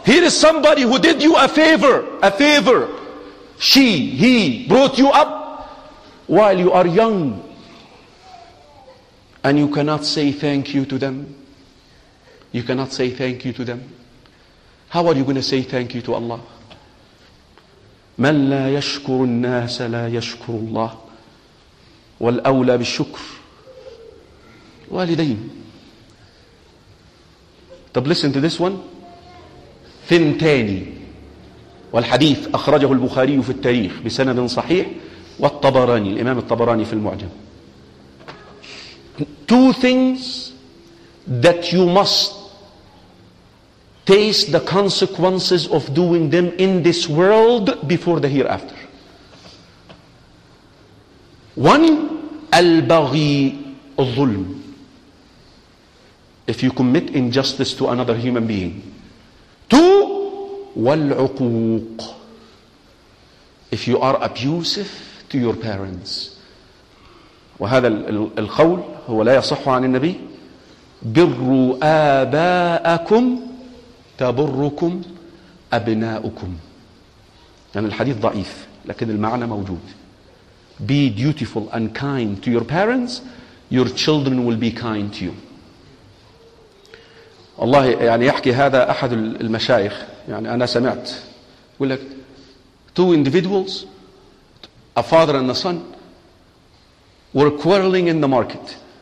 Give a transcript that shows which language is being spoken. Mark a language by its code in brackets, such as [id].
[en] Here is somebody who did you a favor. She, he brought you up while you are young. And you cannot say thank you to them. You cannot say thank you to them. How are you going to say thank you to Allah? [ar] من لا يشكر الناس لا يشكر الله. والأولى بالشكر والدين. [en] طب listen to this one. ثنتاني. [ar] والحديث أخرجه البخاري في التاريخ بسند صحيح والطبراني الإمام الطبراني في المعجم. [en] Two things that you must taste the consequences of doing them in this world before the hereafter. One, [ar] البغي الظلم. [en] If you commit injustice to another human being. Two, والعقوق. If you are abusive to your parents. [ar] وهذا القول هو لا يصح عن النبي. بروا آباءكم تبركم أبناؤكم. يعني الحديث ضعيف لكن المعنى موجود. [en] Be dutiful and kind to your parents, your children will be kind to you. [ar] الله يعني يحكي هذا أحد المشايخ يعني أنا سمعت يقول لك [en] two individuals, a father and a son, were quarreling in the market.